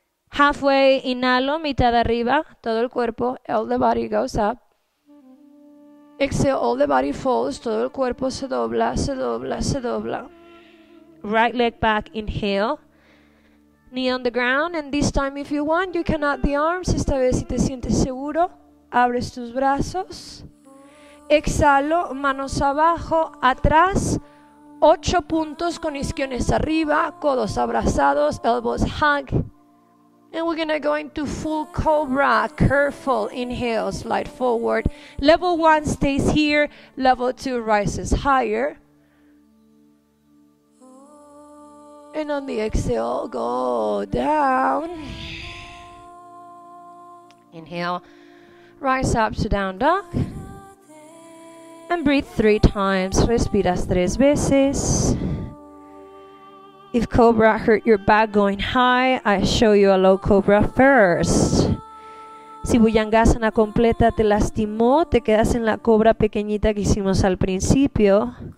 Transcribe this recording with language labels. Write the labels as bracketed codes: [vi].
[en] Halfway, [es] inhalo, mitad arriba, todo el cuerpo, [en] all the body goes up. Exhale, all the body falls, [es] todo el cuerpo se dobla, se dobla, se dobla. [en] Right leg back, inhale. Knee on the ground, and this time if you want, you can add the arms. [es] Esta vez si te sientes seguro, abres tus brazos. Exhalo, manos abajo, atrás. 8 puntos con isquiones arriba, codos abrazados, [en] elbows hug. And we're gonna go into full cobra, careful, inhale, slide forward. Level one stays here, level two rises higher. And on the exhale, go down. Inhale, rise up to down dog. And breathe three times, [es] respiras tres veces. [en] If cobra hurt your back going high, I show you a low cobra first. [es] Si Bhujangasana completa te lastimó, te quedas en la cobra pequeñita que hicimos al principio.